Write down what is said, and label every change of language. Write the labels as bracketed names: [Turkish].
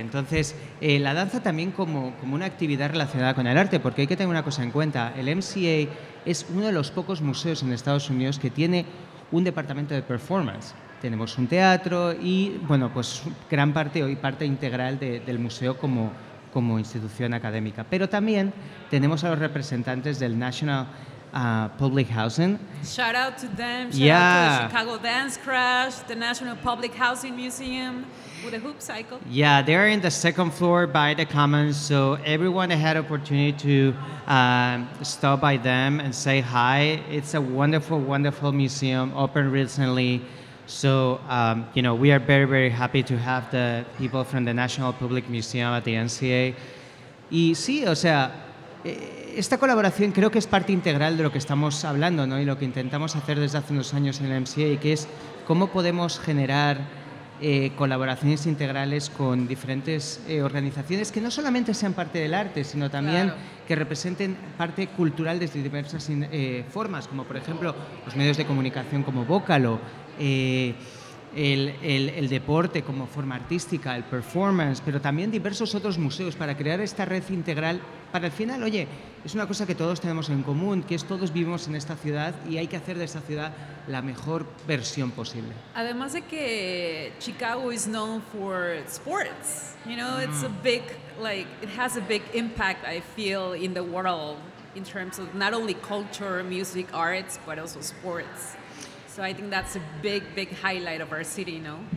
[Spanish] Entonces, la danza también como una actividad relacionada con el arte, porque hay que tener una cosa en cuenta, el MCA es uno de los pocos museos en Estados Unidos que tiene un departamento de performance. Tenemos un teatro y, bueno, pues gran parte hoy parte integral del museo como institución académica. Pero también tenemos a los representantes del National Public Housing. [English] Shout out to them. Shout out to the Chicago Dance Crash, the National Public Housing Museum with a hoop cycle. Yeah, they're in the second floor by the Commons, so everyone had opportunity to stop by them and say hi. It's a wonderful, wonderful museum, opened recently. So, you know, we are very, very happy to have the people from the National Public Museum at the NCA. [Spanish] Y sí, o sea, esta colaboración creo que es parte integral de lo que estamos hablando, ¿no? Y lo que intentamos hacer desde hace unos años en el MCA, que es cómo podemos generar colaboraciones integrales con diferentes organizaciones que no solamente sean parte del arte, sino también claro. que representen parte cultural desde diversas formas, como por ejemplo los medios de comunicación como Vocalo, el deporte como forma artística, el performance, pero también diversos otros museos para crear esta red integral. Para el final, oye, es una cosa que todos tenemos en común, que es todos vivimos en esta ciudad y hay que hacer de esta ciudad la mejor versión posible. Además de que [English] Chicago is known for sports, you know, it's a big, like, it has a big impact, I feel, in the world in terms of not only culture, music, arts, but also sports. So I think that's a big, big highlight of our city, no?